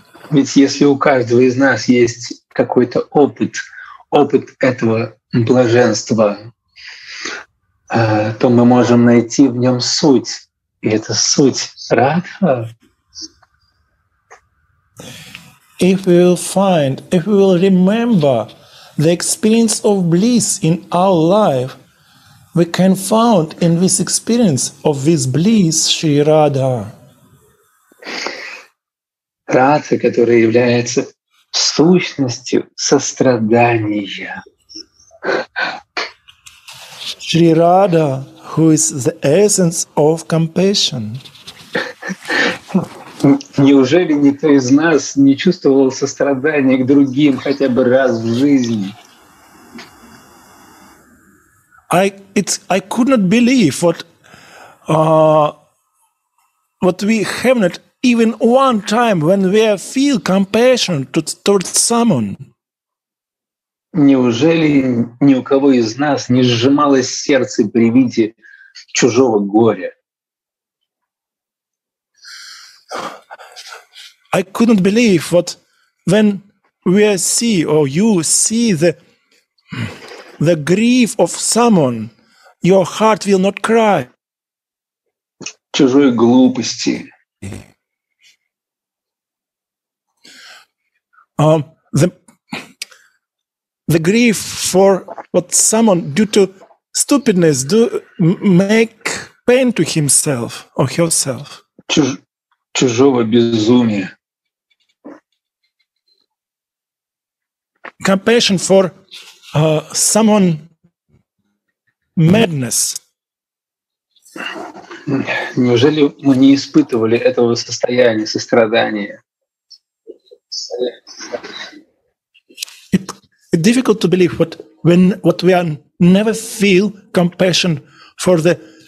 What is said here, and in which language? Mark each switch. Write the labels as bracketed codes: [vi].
[ru] Ведь если у каждого из нас есть какой-то опыт этого блаженства, то мы можем найти в нем суть, и это суть Радха. [en] If we will find, if we will remember the experience of bliss in our life, we can find in this experience of this bliss Shri Radha. [ru] Радха, которая является сущностью сострадания. [en] Shri Radha, who is the essence of compassion. [ru] Неужели никто из нас не чувствовал сострадания к другим хотя бы раз в жизни? [en] I could not believe what we have not even one time when we feel compassion towards someone. [ru] Неужели ни у кого из нас не сжималось сердце при виде чужого горя? [en] I couldn't believe what when we see or you see the grief of someone, your heart will not cry. [ru] Чужой глупости. [en] The grief for what someone due to stupidness do make pain to himself or herself. [ru] Чужого безумия. [en] Compassion for someone madness. [ru] Неужели мы не испытывали этого состояния сострадания? [en] It's difficult to believe what we are never feel compassion for the